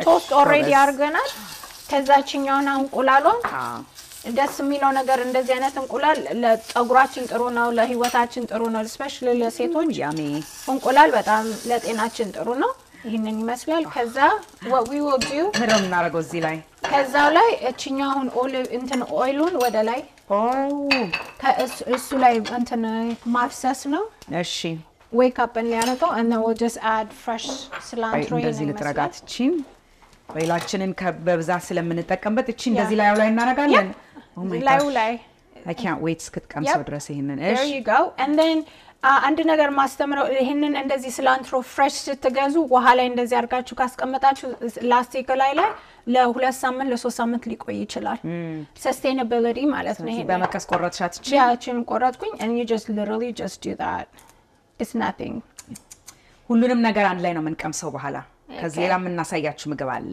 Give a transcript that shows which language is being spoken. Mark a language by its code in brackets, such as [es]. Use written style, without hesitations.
[am] ቶስት ኦሬዲ አርገናል። ከዛችኛውን አንቁላሉን ደስ የሚለው ነገር እንደዚህ አይነት እንቁላል ለጸጉራችን ጥሩ ነው፣ ለህይወታችን ጥሩ ነው። ስፔሻሊ ለሴቶች [en] ያሚ [am] እንቁላል በጣም ለጤናችን ጥሩ ነው። ይሄንን ይመስላል። ከዛ [en] what we will do [am] ምንም እናረጋው እዚህ ላይ ከዛው ላይ እቺኛ አሁን ኦሊቭ እንትን ኦይሉን ወደ ላይ ኦ ከእሱ ላይ እንትን ማፍሰስ ነው። እሺ ዌክ አፕ እንያረጋው [en] and we'll just add fresh cilantro [am] in እዚህ ልትረጋት እቺ ወይላችንን በብዛት ስለምንጠቀምበት እቺ እንደዚህ ላይ አውላይ እናረጋለን። ላይ [en] I can't wait [am] ስክትቀምሰው ድረስ ይሄንን እሺ [en] there you go and then [am] አንድ ነገር ማስተምረው ይሄንን እንደዚህ ስላንትሮ ፍሬሽ ስትገዙ ውሃ ላይ እንደዚህ አርጋችሁ ካስቀመጣችሁ ላስቲክ ላይ ለሁለት ሳምንት ለሶስት ሳምንት ሊቆይ ይችላል። ሰስቴይነብሊቲ ማለት ነው። ይሄ በመከስ ቆረጥሻት እቺ ያቺን ቆረጥኩኝ [en] and you just literally just do that. It's nothing. [am] ሁሉንም ነገር አንድ ላይ ነው የምንቀምሰው በኋላ ከዚህ ላይ የምናሳያችሁ ምግብ አለ።